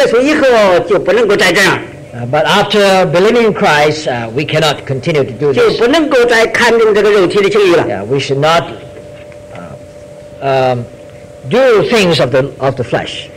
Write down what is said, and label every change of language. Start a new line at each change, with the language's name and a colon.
Chinese: 那我们信耶稣以后就不能够再这样。
English: But after believing in Christ, we cannot continue to do this.
Chinese: 就不能够再看重这个肉体的情欲了。
English: Yeah, we should not do things of the flesh.